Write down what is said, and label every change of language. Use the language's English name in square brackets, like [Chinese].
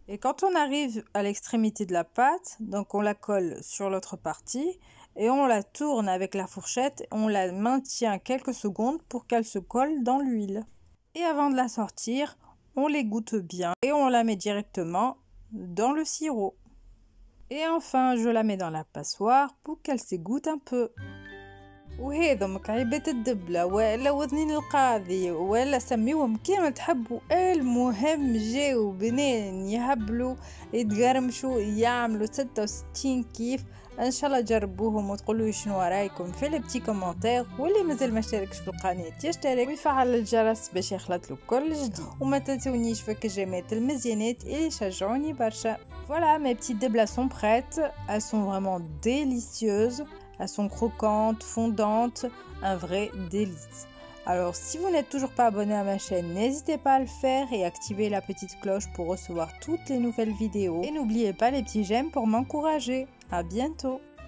[French] Et quand on arrive à l'extrémité de la pâte, donc on la colle sur l'autre partie, et on la tourne avec la fourchette, on la maintient quelques secondes pour qu'elle se colle dans l'huile. Et avant de la sortir, on l'égoutte bien et on la met directement dans le sirop. Et enfin, je la mets dans la passoire pour qu'elle s'égoutte un peu. [Arabic] وهذا مكعبات الدبلة ولا وذنين القاضي ولا سميوهم كيما تحبوا، المهم جاو بنين يهبلوا يتقرمشوا يعملوا 66 كيف. ان شاء الله جربوهم وتقولوا لي شنو رايكم في لي بتي كومونتير، واللي مازال ما اشتركش في القناة يشترك ويفعل الجرس باش يخلطلو كل جديد، وما تنسونيش فك الجيمات المزيانات اللي يشجعوني برشا. [French] Voilà, mes petites deblas sont prêtes. Elles sont vraiment délicieuses. Elles sont croquantes, fondantes, un vrai délice. Alors, si vous n'êtes toujours pas abonné à ma chaîne, n'hésitez pas à le faire et activez la petite cloche pour recevoir toutes les nouvelles vidéos. Et n'oubliez pas les petits j'aime pour m'encourager. À bientôt!